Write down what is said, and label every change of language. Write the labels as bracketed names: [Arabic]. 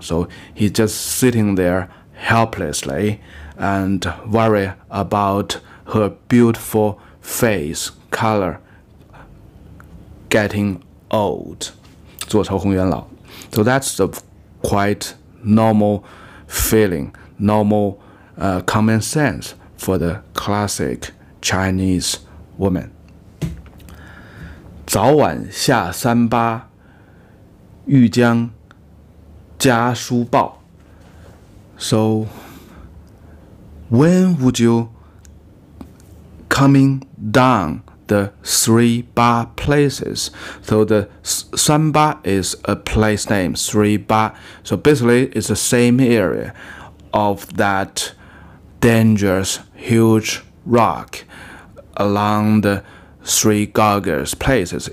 [English] So he's just sitting there helplessly and worry about her beautiful face color getting old. [Chinese] 作愁红颜老. [English] So that's a quite normal feeling, normal common sense. For the classic Chinese woman. [Chinese] 早晚下三巴，欲将家书报。 [English] So, when would you coming down the three ba places? So the San Ba is a place name, three ba. So basically, it's the same area of that dangerous huge rock along the three gorges places.